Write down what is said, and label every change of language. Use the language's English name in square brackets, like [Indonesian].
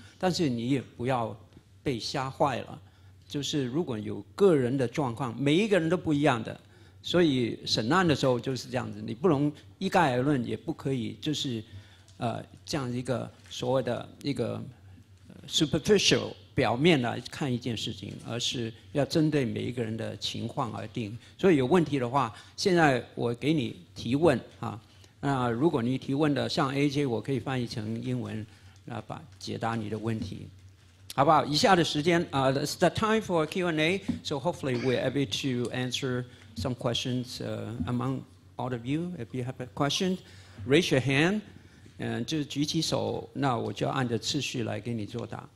[Chinese] 但是你也不要被吓坏了，就是如果有个人的状况，每一个人都不一样的，所以审案的时候就是这样子，你不能一概而论，也不可以就是这样一个所谓的一个 superficial 表面来看一件事情，而是要针对每一个人的情况而定。所以有问题的话，现在我给你提问啊。那如果你提问的像 AJ， 我可以翻译成英文，那把解答你的问题，好不好？以下的时间啊、 [English] it's the time for Q&A， so hopefully we're able to answer some questions among all of you. If you have a question, raise your hand. [Chinese] 就举起手，那我就按着次序来给你作答。